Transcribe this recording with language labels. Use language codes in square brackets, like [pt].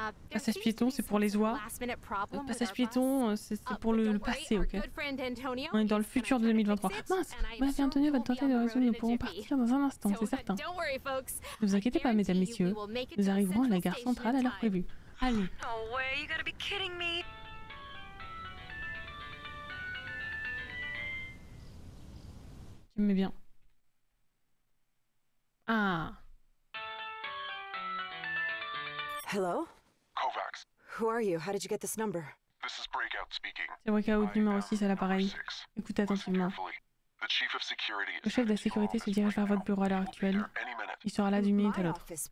[fr] Passage piéton, c'est pour les oies. Passage piéton, c'est pour le passé, ok? On est dans le futur de 2023. Mince, Antonio va tenter de résoudre, nous pourrons partir dans un instant, c'est certain. Ne vous inquiétez pas, mesdames, messieurs, nous arriverons à la gare centrale à l'heure prévue. Allez. [en] No way, you gotta be kidding me. [fr] J'aime bien. Ah. [en] Hello? Kovacs. Who are you? How did you get this number? This is Breakout speaking. [fr] C'est Breakout numéro 6 à l'appareil. Écoutez attentivement. [en] The chief of security [fr] le chef de la sécurité se dirige vers votre bureau à l'heure actuelle. Il sera là d'une minute à l'autre.